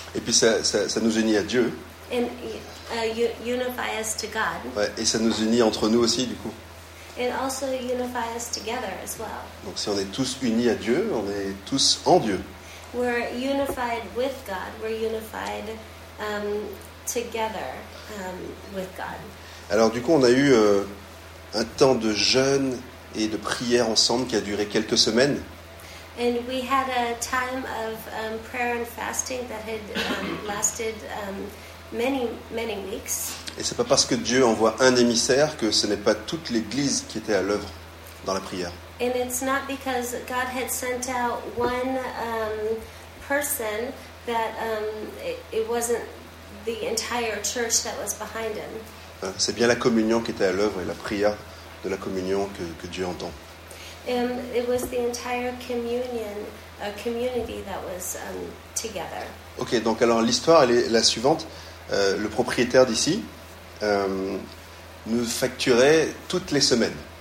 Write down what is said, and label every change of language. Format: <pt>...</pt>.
<fr>Et puis ça nous unit à Dieu.</fr> <en>And unify us to God.</en> <fr>Ouais, et ça nous unit entre nous aussi, du coup.</fr> <en>And also unify us together as well.</en> <fr>Donc si on est tous unis à Dieu, on est tous en Dieu.</fr> <en>We're unified with God. We're unified together with God.</en> <fr>Alors du coup, on a eu un temps de jeûne et de prière ensemble qui a duré quelques semaines.</fr> <en>And we had a time of prayer and fasting that had lasted many weeks.</en> <fr>Et c'est pas parce que Dieu envoie un émissaire que ce n'est pas toute l'Église qui était à l'œuvre dans la prière.</fr> <en>And it's not because God had sent out one person that it wasn't the entire church that was behind him.</en> <fr>C'est bien la communion qui était à l'œuvre et la prière de la communion que Dieu entend.</fr> <en>It was the entire communion, community that was together.</en> <fr>Ok, donc alors l'histoire elle est la suivante. Le propriétaire d'ici nous facturait toutes les semaines.</fr>